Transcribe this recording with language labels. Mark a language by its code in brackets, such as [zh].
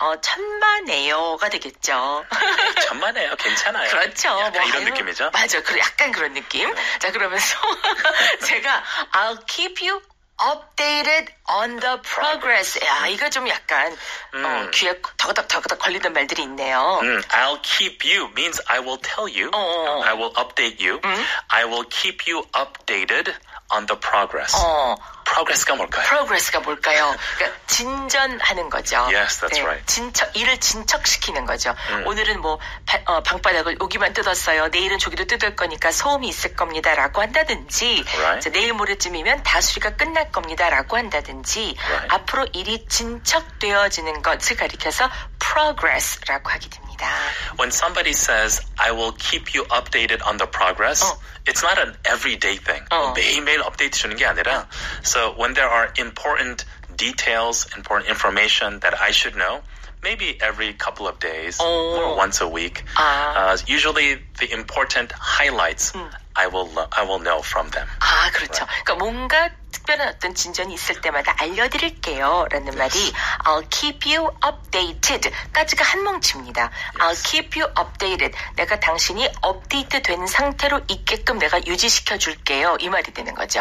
[ko] 천만에요가 되겠죠. 천만에요. 괜찮아요. 그렇죠. 약간 뭐 이런 느낌이죠. 맞아. 그래 약간 그런 느낌. 네. 자 그러면서 제가 [en] I'll keep you. Updated on the progress. [ko] 야, 이거 좀 약간 귀에 더그닥 걸리는 말들이 있네요. [en] I'll keep you means I will tell you. I will update you. I will keep you updated on the progress. [ko] Progress가 뭘까요? Progress가 뭘까요? 그러니까 진전하는 거죠. [en] Yes, that's [ko] 네, [en] right. [ko] 일을 진척시키는 거죠. 오늘은 뭐 방바닥을 여기만 뜯었어요. 내일은 저기도 뜯을 거니까 소음이 있을 겁니다. 라고 한다든지 [en] right. [ko] 이제 내일 모레쯤이면 다 수리가 끝날 겁니다. 라고 한다든지 [en] right. [ko] 앞으로 일이 진척되어지는 것을 가리켜서 progress라고 하게 됩니다. [en] When somebody says, I will keep you updated on the progress, it's not an everyday thing. [ko] 매일매일 업데이트 주는 게 아니라. [en] So when there are important details, important information that I should know, maybe every couple of days or once a week, usually the important highlights, I will know from them. [ko] 아, 그렇죠. [en] Right. [ko] 그러니까 뭔가 특별한 어떤 진전이 있을 때마다 알려드릴게요. 라는 [en] yes. [ko] 말이 [en] I'll keep you updated [ko] 까지가 한 뭉치입니다. [en] Yes. I'll keep you updated. [ko] 내가 당신이 업데이트 된 상태로 있게끔 내가 유지시켜줄게요. 이 말이 되는 거죠.